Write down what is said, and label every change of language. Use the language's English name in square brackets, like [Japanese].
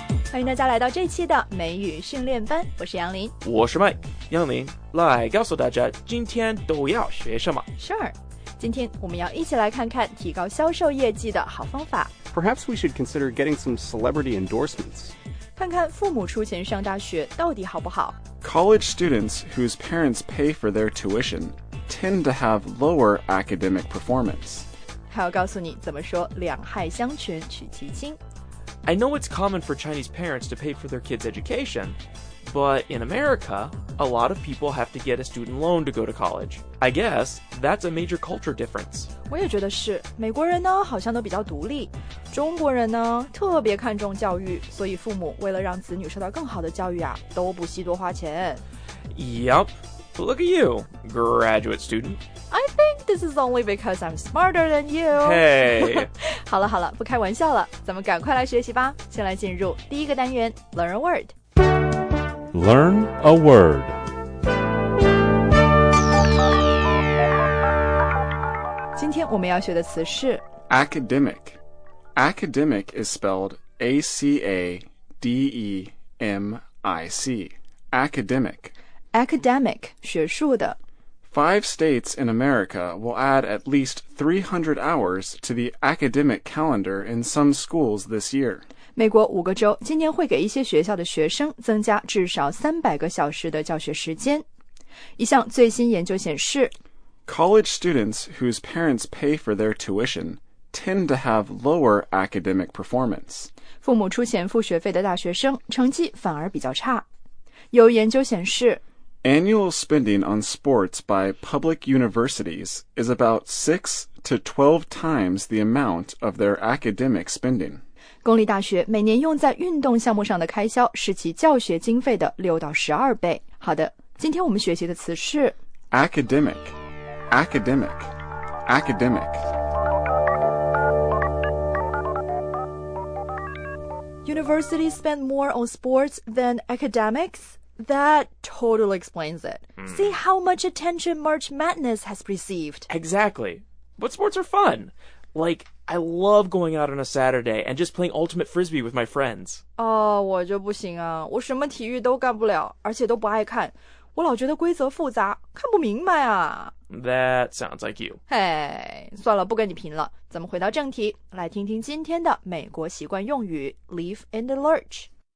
[Chinese] 欢迎大家来到这期的美语训练班，我是杨林，我是麦。杨林，来告诉大家今天都要学什么。 [English] Sure, [Chinese] 今天我们要一起来看看提高销售业绩的好方法。 [English] Perhaps we should consider getting some celebrity endorsements. [Chinese] 看看父母出钱上大学到底好不好。 [English] College students whose parents pay for their tuition tend to have lower academic performance. [Chinese] 还要告诉你怎么说两害相权取其轻。 [English] I know it's common for Chinese parents to pay for their kids' education, but in America, a lot of people have to get a student loan to go to college. I guess that's a major culture difference. [Chinese] 我也觉得是，美国人呢好像都比较独立，中国人呢特别看重教育，所以父母为了让子女受到更好的教育啊，都不惜多花钱。 [English] Yep, but look at you, graduate student. I think this is only because I'm smarter than you. Hey. [Chinese] 好了好了，不开玩笑了，咱们赶快来学习吧。先来进入第一个单元 ， [English] Learn a word。 Learn a word。 [Chinese] 今天我们要学的词是 [English] academic。 Academic is spelled A-C-A-D-E-M-I-C. Academic. [Chinese] Academic, 学术的。 [English] Five states in America will add at least 300 hours to the academic calendar in some schools this year. [Chinese] 美国五个州今年会给一些学校的学生增加至少300个小时的教学时间。一项最新研究显示， [English] College students whose parents pay for their tuition tend to have lower academic performance. [Chinese] 父母出钱付学费的大学生成绩反而比较差。有研究显示， [English] Annual spending on sports by public universities is about 6 to 12 times the amount of their academic spending. [Chinese] 公立大学每年用在运动项目上的开销是其教学经费的6到12倍。好的，今天我们学习的词是 [English] academic, academic, academic. Universities spend more on sports than academics? That totally explains it. Mm. See how much attention March Madness has received. Exactly. But sports are fun. Like, I love going out on a Saturday and just playing Ultimate Frisbee with my friends. [Chinese] Oh, 我就不行啊。我什么体育都干不了，而且都不爱看。我老觉得规则复杂，看不明白啊。 [English] That sounds like you. [Chinese] Hey, 算了，不跟你贫了。咱们回到正题，来听听今天的美国习惯用语 [English] Leaf and the Lurch。